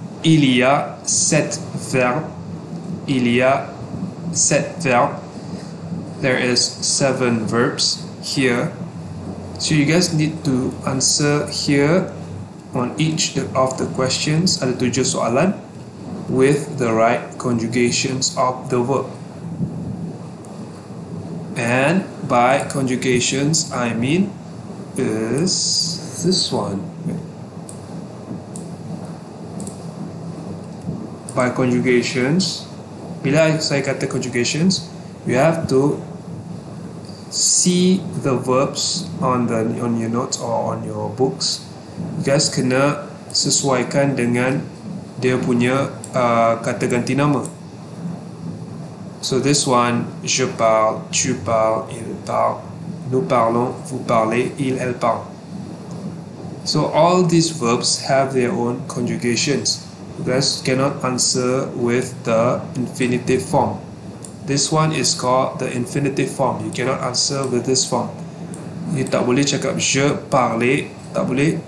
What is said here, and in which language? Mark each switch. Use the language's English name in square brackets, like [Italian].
[French] Il y a 7 verbes. Il y a 7 verbes. [English] there is 7 verbs here. So you guys need to answer here on each of the questions, [Malay] ada 7 soalan, [English] with the right conjugations of the verb. And by conjugations, I mean is this one. By conjugations, [Malay] bila saya kata conjugations, [English] you have to see the verbs on your notes or on your books. [Malay] You guys kena sesuaikan dengan dia punya kata ganti nama. [English] So this one, [French] je parle, tu parle, il parle, nous parlons, vous parlez, il, elle parle. [English] So all these verbs have their own conjugations. You guys cannot answer with the infinitive form. This one is called the infinitive form. You cannot answer with this form. [Malay] You tak boleh cakap [French] je parlais, [Malay] tak boleh.